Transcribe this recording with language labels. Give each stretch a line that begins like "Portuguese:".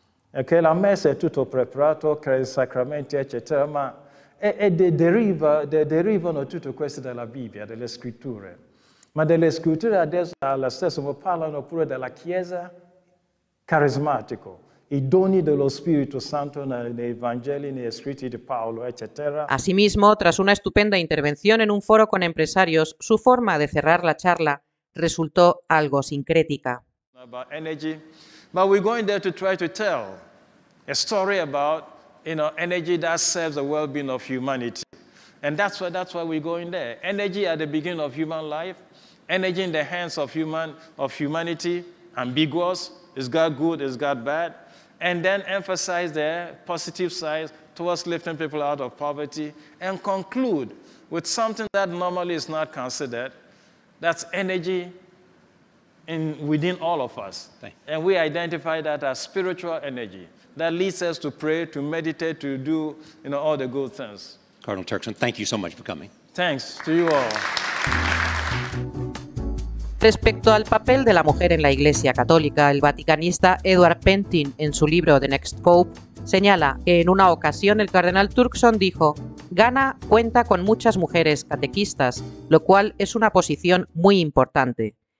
Italian: E che la messa è tutto preparato, che i sacramenti, eccetera, ma derivano tutto questo dalla Bibbia, dalle scritture. Ma delle scritture adesso allo stesso parlano pure della Chiesa carismatico, i doni dello Spirito Santo nei Vangeli, nei scritti di Paolo, eccetera.
Spanish: Asimismo, tras una estupenda intervención en un foro con empresarios, su forma de cerrar la charla resultó algo sincrética.
English: About energy, but we're going there to try to tell a story about, you know, energy that serves the well-being of humanity, and that's why we're going there. Energy at the beginning of human life. Energy in the hands of humanity, ambiguous, is God good, is God bad? And then emphasize the positive side towards lifting people out of poverty and conclude with something that normally is not considered, that's energy within all of us. And we identify that as spiritual energy that leads us to pray, to meditate, to do, you know, all the good things. Cardinal Turkson, thank you so much for coming. Thanks to you all.
Spanish: Respecto al papel de la mujer en la Iglesia católica, el vaticanista Edward Pentin, en su libro The Next Pope, señala que en una ocasión el cardenal Turkson dijo: «Ghana cuenta con muchas mujeres catequistas, lo cual es una posición muy importante».